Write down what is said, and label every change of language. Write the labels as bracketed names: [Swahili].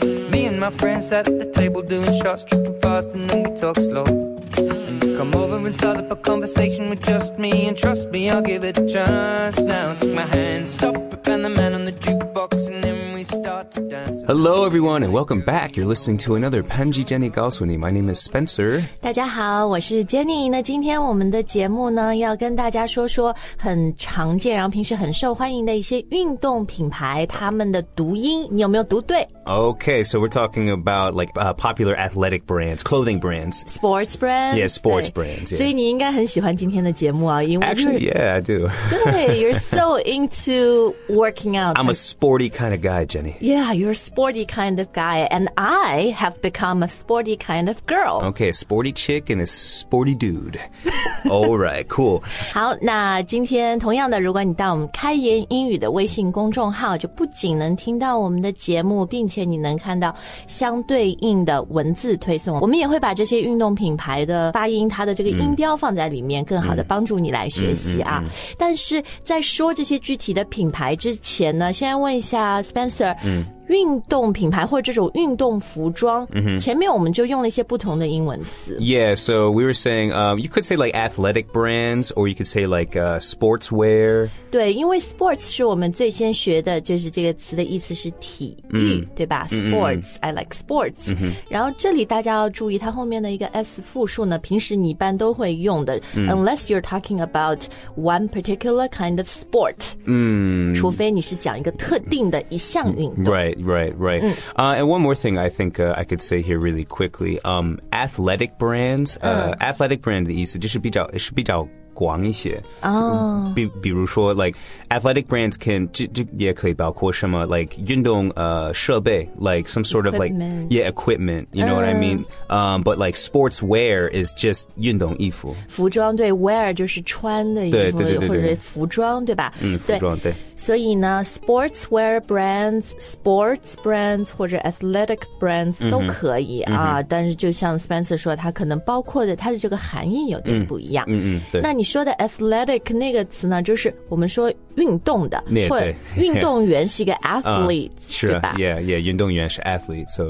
[English] Me and my friends sat at the table doing shots, tripping fast, and then we talk slow. And you come over and start up a conversation with just me, and trust me, I'll give it a chance. Now take my hand, stop it, and the man on the jukebox, and then we start to dance. Hello, everyone, and welcome back. You're listening to another Panji Jenny 告诉你. My name is Spencer. [Chinese] 大家好，我是 Jenny。那今天我们的节目呢，要跟大家说说很常见，然后平时很受欢迎的一些运动品牌，他们的读音，你有没有读对？ [English] Okay, so we're talking about like, popular athletic brands, clothing brands. Sports brands. Yeah, sports brands. Yeah. [Chinese] 所以你应该很喜欢今天的节目啊，因为 [English] Actually, yeah, I do. 对, you're so into working out. I'm a sporty kind of guy, Jenny. Yeah, you're a sporty kind of guy, and I have become a sporty kind of girl. Okay, a sporty chick and a sporty dude. Alright, cool. [Chinese] 好，那今天同样的，如果你到我们开言英语的微信公众号，就不仅能听到我们的节目，并且你能看到相对应的文字推送，我们也会把这些运动品牌的发音，它的这个音标放在里面，更好的帮助你来学习啊。但是在说这些具体的品牌之前呢，先问一下 Spencer。运动品牌或者这种运动服装、mm-hmm. 前面我们就用了一些不同的英文词 [English] Yeah, so we were saying、you could say like athletic brands or you could say like、sportswear [Chinese] 对因为 sports 是我们最先学的就是这个词的意思是体育、mm-hmm. 对吧 sports、mm-hmm. [English] I like sports、mm-hmm. [Chinese] 然后这里大家要注意它后面的一个 s 复数呢平时你一般都会用的、mm-hmm. [English] unless you're talking about one particular kind of sport、 mm-hmm. [Chinese] 除非你是讲一个特定的一项运动、 mm-hmm. [English] Right.、And one more thing I think、I could say here really quickly.、athletic brands.、athletic brand [Chinese] 的意思就是比较广一些。比如说 [English] like, athletic brands can, [Chinese] 也可以包括什么 [English] like, [Chinese] 运动、设备 [English] like, some sort of like, yeah, equipment, you know、what I mean?、but like, sportswear is just [Chinese] 运动衣服。服装对 wear 就是穿的衣服。对。或者服装对吧、服装对。所以呢 sportswear brands, sports brands, 或者 athletic brands 都可以啊、mm-hmm. 但是就像 Spencer 说它可能包括的它的这个含义有点不一样。对。那你说的 athletic 那个词呢就是我们说运动的 yeah, 或运动员是一个 athlete, 是吧 yeah, 运动员是 athlete, so.